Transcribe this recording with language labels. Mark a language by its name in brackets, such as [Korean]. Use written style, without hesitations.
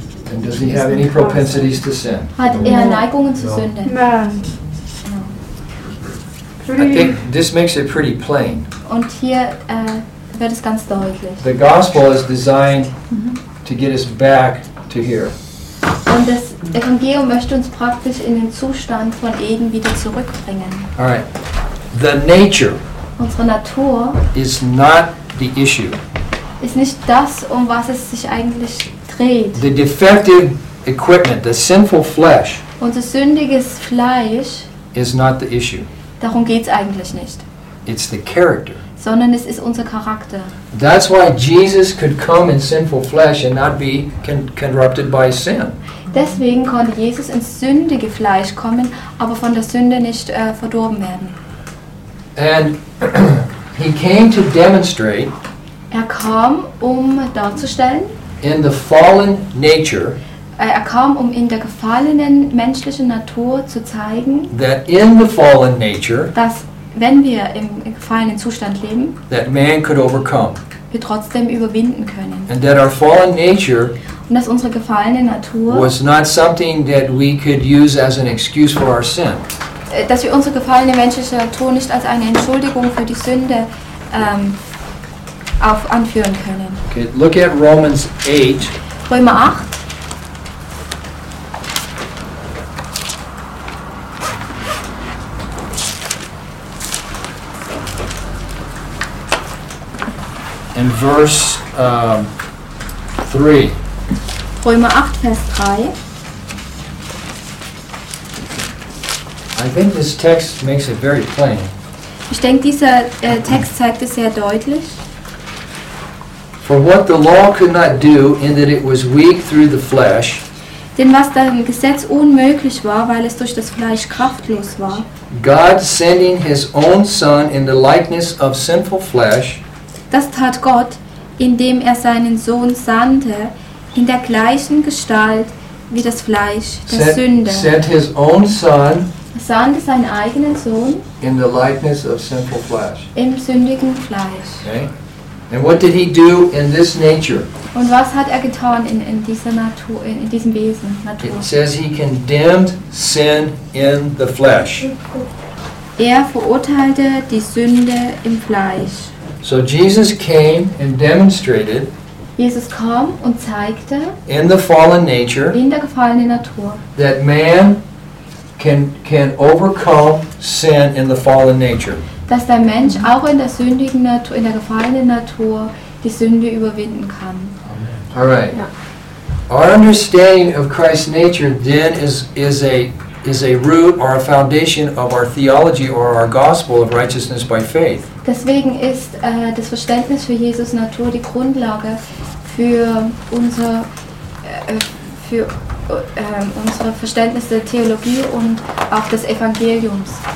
[English] And does he have any propensities to sin? [German] Hat er Neigungen zu Sünde? Nein. [English] I think this makes it pretty plain. [German] Und hier wird es ganz deutlich. [English] The gospel is designed to get us back to here. [German] Und das Evangelium möchte uns praktisch in den Zustand von Eden wieder zurückbringen. [English] All right. The nature. [German] Unsere Natur [English] is not the issue. [German] Ist nicht das, um was es sich eigentlich dreht. [English] The defective equipment, the sinful flesh. [German] Unser sündiges Fleisch [English] is not the issue. [German] Darum geht's eigentlich nicht. [English] It's the character. [German] Sondern es ist unser Charakter. [English] That's why Jesus could come in sinful flesh and not be corrupted by sin. [German] Deswegen konnte Jesus ins sündige Fleisch kommen, aber von der Sünde nicht verdorben werden. [English] And he came to demonstrate. [German] Er kam, um darzustellen. [English] In the fallen nature. [German] Er kam, um in der gefallenen menschlichen Natur zu zeigen. [English] That in the fallen nature. [German] Dass wenn wir im gefallenen Zustand leben, [English] that man could overcome. [German] Wir trotzdem überwinden können. [English] And that our fallen nature [German] und dass unsere gefallene Natur [English] was not something that we could use as an excuse for our sin. [German] Dass wir unsere gefallene menschliche Natur nicht als eine Entschuldigung für die Sünde anführen können. [English] Okay, look at Romans 8. [German] Römer 8. [English] In verse 3. [German] Römer 8, Vers 3. [English] I think this text makes it very plain. [German] Ich denke, dieser Text zeigt es sehr deutlich. [English] For what the law could not do, in that it was weak through the flesh. [German] Denn was dem Gesetz unmöglich war, weil es durch das Fleisch kraftlos war. [English] God sending his own son in the likeness of sinful flesh. [German] Das tat Gott, indem er seinen Sohn sandte, in der gleichen Gestalt wie das Fleisch der Sünde. [English] Sent his own son, [German] sandte seinen eigenen Sohn [English] in the likeness of sinful flesh. [German] Im sündigen Fleisch. [English] Okay. And what did he do in this nature? [German] Und was hat er getan in dieser Natur, in diesem Wesen? Natur. [English] It says he condemned sin in the flesh. [German] Er verurteilte die Sünde im Fleisch. [English] So Jesus came and demonstrated. [German] Jesus kam und zeigte [English] in the fallen nature, [German] in der gefallenen Natur, [English] that man can overcome sin in the fallen nature. [German] Dass der Mensch auch in der sündigen Natur, in der gefallenen Natur, die Sünde überwinden kann. [English] All right. [German] Ja. [English] Our understanding of Christ's nature then is a root or a foundation of our theology or our gospel of righteousness by faith. [German] Deswegen ist das Verständnis für Jesus Natur die Grundlage für unser unsere Verständnis der Theologie und auch des Evangeliums.